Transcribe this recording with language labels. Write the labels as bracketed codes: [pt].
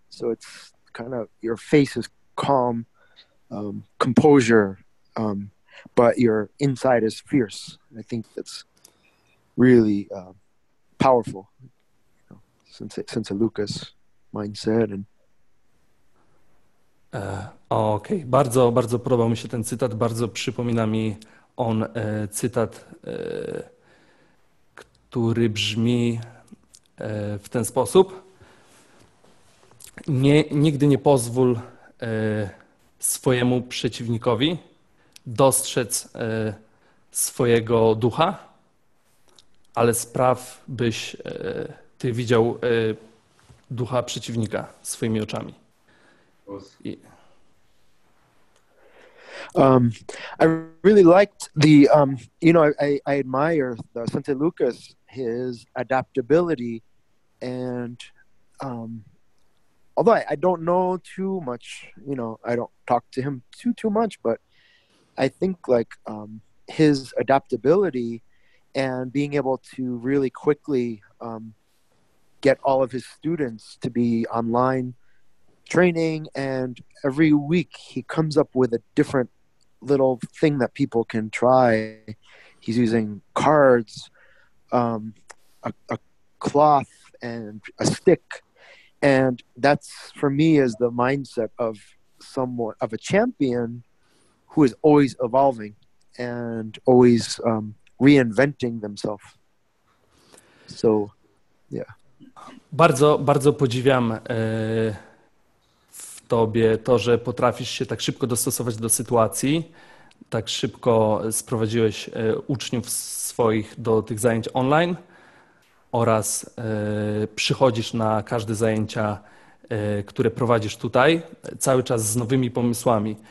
[en] So it's kind of, your face is calm, composure, but your inside is fierce. I think that's really powerful, Sensei Lukasz mindset. [pl] Okay, bardzo, bardzo podobał mi się ten cytat, bardzo przypomina mi on cytat, który brzmi w ten sposób. Nigdy nie pozwól swojemu przeciwnikowi dostrzec swojego ducha, ale spraw, byś ty widział ducha przeciwnika swoimi oczami. [en] I really liked the, you know, I admire the Sensei Lukasz, his adaptability. And although I don't know too much, you know, I don't talk to him too much, but I think like his adaptability and being able to really quickly get all of his students to be online training, and every week he comes up with a different little thing that people can try. He's using cards, a cloth, and a stick, and that's for me is the mindset of someone of a champion who is always evolving and always reinventing themselves. So, yeah. [pl] Bardzo, bardzo podziwiam w tobie to, że potrafisz się tak szybko dostosować do sytuacji, tak szybko sprowadziłeś uczniów swoich do tych zajęć online oraz przychodzisz na każde zajęcia, które prowadzisz tutaj, cały czas z nowymi pomysłami.